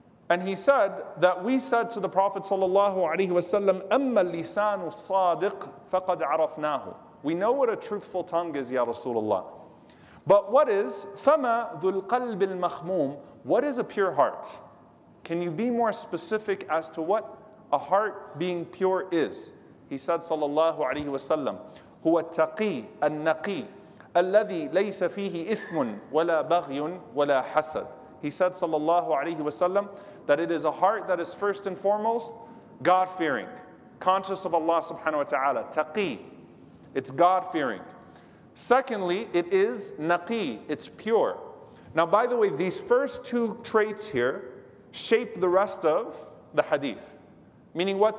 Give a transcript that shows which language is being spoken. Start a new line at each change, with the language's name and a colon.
English: And he said that we said to the Prophet sallallahu alaihi wasallam,
Arabic: أَمَّا الْلِسَانُ الصَّادِقُ فَقَدْ عَرَفْنَاهُ.
English: We know what a truthful tongue is, ya Rasulullah. But what is
Arabic: فَمَا ذُو الْقَلْبِ الْمَخْمُومِ?
English: What is a pure heart? Can you be more specific as to what a heart being pure is? He said sallallahu alaihi wasallam,
Arabic: هو التقي النقي الذي ليس فيه إثم ولا بغي ولا حسد.
English: He said sallallahu alaihi wasallam that it is a heart that is first and foremost God-fearing, conscious of Allah subhanahu wa ta'ala, taqi. It's God-fearing. Secondly, it is naqi, it's pure. Now, by the way, these first two traits here shape the rest of the hadith. Meaning what?